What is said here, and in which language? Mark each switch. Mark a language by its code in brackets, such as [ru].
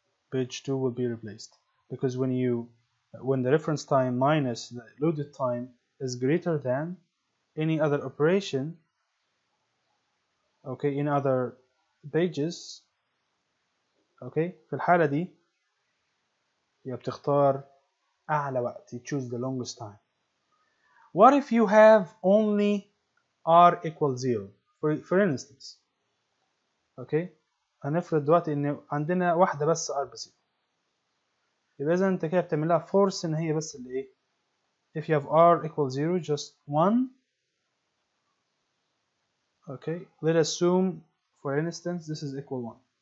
[en] Page 2 will be replaced. Because when the reference time minus the loaded time is greater than any other operation, okay, in other pages, okay, [ar] في الحالة دي يا بتختار أعلى وقت, [en] you choose the longest time. What if you have only r equals 0? [ar] For instance, okay, هنفرض دلوقتي إن عندنا واحدة بس r بصفر. يبقى إذا أنت كده بتعملها فورس إن هي بس اللي إيه؟ [en] If you have r equals 0, just 1. Okay, let's assume, for instance, this is equal 1.